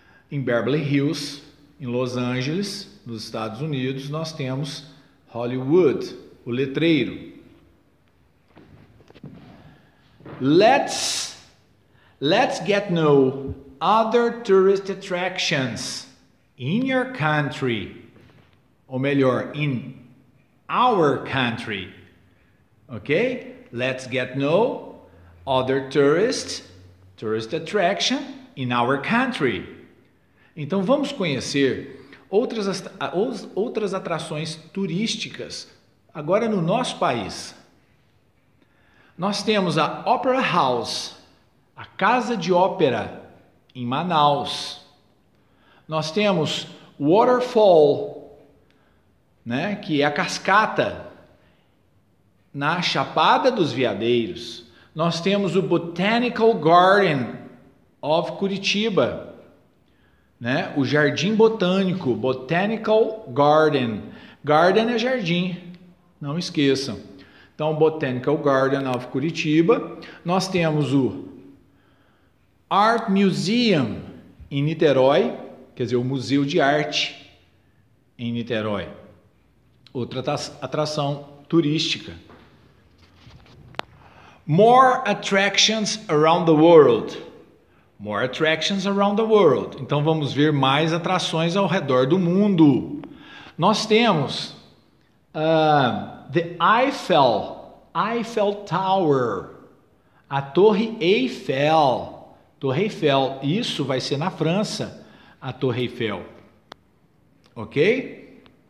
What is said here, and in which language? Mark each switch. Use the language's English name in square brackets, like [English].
[Portuguese] Em Beverly Hills, em Los Angeles, nos Estados Unidos, nós temos Hollywood, o letreiro. [English] Let's get to know other tourist attractions in your country. [Portuguese] Ou melhor, [English] in our country. [Portuguese] Ok? [English] Let's get to know other tourist attraction in our country. [Portuguese] Então, vamos conhecer outras atrações turísticas, agora no nosso país. Nós temos a Opera House, a Casa de Ópera, em Manaus. Nós temos Waterfall, né, que é a cascata, na Chapada dos Veadeiros. Nós temos o Botanical Garden of Curitiba. Né? O Jardim Botânico, Botanical Garden. Garden é jardim, não esqueçam. Então, Botanical Garden of Curitiba. Nós temos o Art Museum em Niterói, quer dizer, o Museu de Arte em Niterói. Outra atração turística. [English] More attractions around the world. More attractions around the world. [Portuguese] Então vamos ver mais atrações ao redor do mundo. Nós temos the Eiffel Tower, a Torre Eiffel. Torre Eiffel, isso vai ser na França, a Torre Eiffel. Ok?